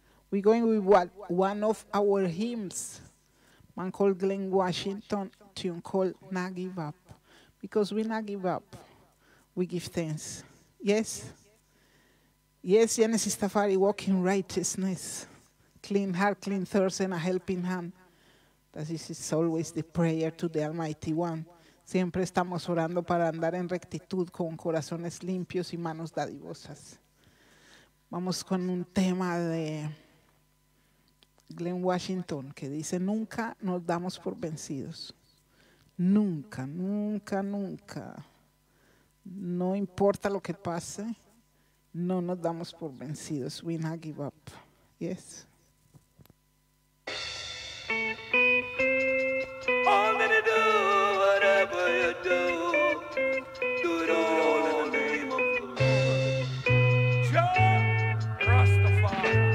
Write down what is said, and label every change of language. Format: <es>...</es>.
<en>We're going with what, one of our hymns, man called Glen Washintong, tune called Na Give Up. Because we not give up, we give thanks. Yes? Yes, Genesis Tafari, walking righteousness, clean heart, clean thirst, and a helping hand. This is always the prayer to the Almighty One.</en> <es>Siempre estamos orando para andar en rectitud con corazones limpios y manos dadivosas. Vamos con un tema de Glen Washintong que dice, nunca nos damos por vencidos. Nunca, nunca, nunca. No importa lo que pase, no nos damos por vencidos.</es> <en>We not give up. Yes. All that you do, whatever you do, do it all in the name of the Lord. Joe Rastafari.</en>